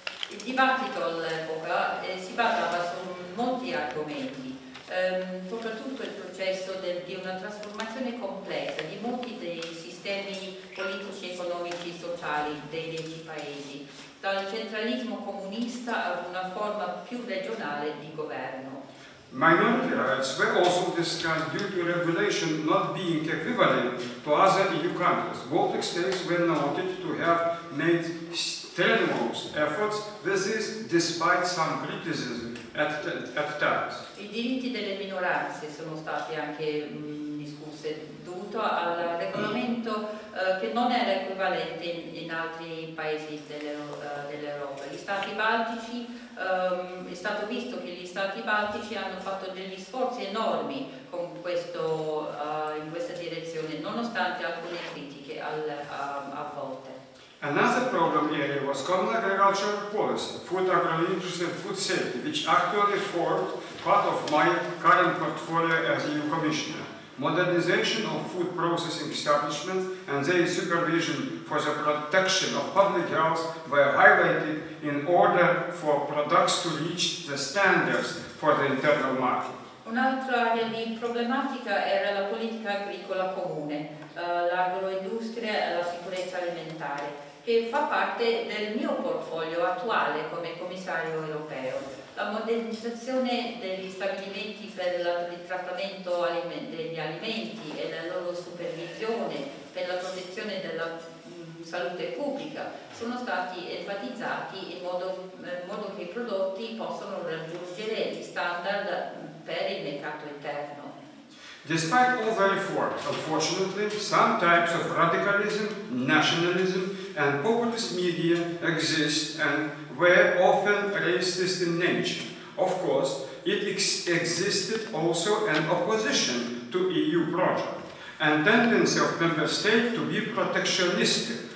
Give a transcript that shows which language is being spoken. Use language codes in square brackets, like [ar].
[it] Il dibattito all'epoca si basava su molti argomenti, soprattutto il processo di una trasformazione completa di molti dei sistemi politici, economici e sociali dei 10 paesi. Dal centralismo comunista a una forma più regionale di governo. [en] Minority rights were also discussed due to regulation not being equivalent to other EU countries. Baltic states were noted to have made strenuous efforts with this despite some criticism at times. [it] I diritti delle minoranze sono stati anche discussi dovuto al regolamento che non era equivalente in altri paesi dell'Europa. Gli stati baltici, è stato visto che gli stati baltici hanno fatto degli sforzi enormi con questo, in questa direzione, nonostante alcune critiche a volte. [en] Another problem area was common agricultural policy, food agroindustry and food safety, which actually formed part of my current portfolio as EU commissioner. Modernization of food processing establishments and their supervision for the protection of public health were highlighted in order for products to reach the standards for the internal market. [it] Un'altra area di problematica era la politica agricola comune, l'agroindustria e la sicurezza alimentare, che fa parte del mio portfolio attuale come commissario europeo. La modernizzazione degli stabilimenti per il trattamento degli alimenti e la loro supervisione per la protezione della salute pubblica sono stati enfatizzati in modo che i prodotti possano raggiungere gli standard per il mercato interno. [en] Despite all the efforts, unfortunately, some types of radicalism, nationalism and populist media exist and were often racist in nature. Of course, it existed also an opposition to EU project and tendency of member states to be protectionistic.